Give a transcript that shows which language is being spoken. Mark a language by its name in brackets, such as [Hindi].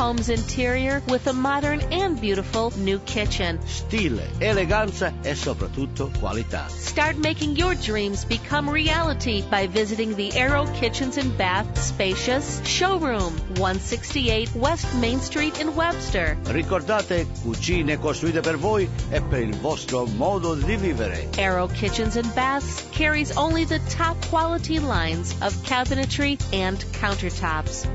[English] Interior with a modern and beautiful new kitchen. [Italian] Stile, eleganza e soprattutto qualità. [English] Start making your dreams become reality by visiting the Arrow Kitchens and Bath spacious showroom, 168 West Main Street in Webster. [Italian] Ricordate, cucine costruite per voi e per il vostro modo di vivere. [English] Arrow Kitchens and Baths carries only the top quality lines of cabinetry and countertops.